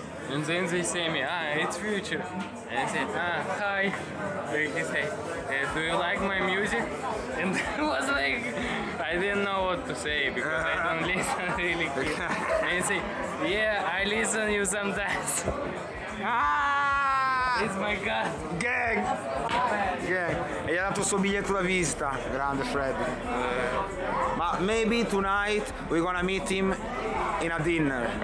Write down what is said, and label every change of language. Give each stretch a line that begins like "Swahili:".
English: And then they say me, ah, it's Future. And I said, ah, hi. And he said, do you like my music? And it was like, I didn't know what to say because I don't listen really good. And he said, yeah, I listen to you sometimes. Ah! It's my God. Gang! Gang.
Italian: E gli ha dato il suo biglietto da visita, grande Fred.
English: Ma maybe tonight we're gonna meet him in a dinner.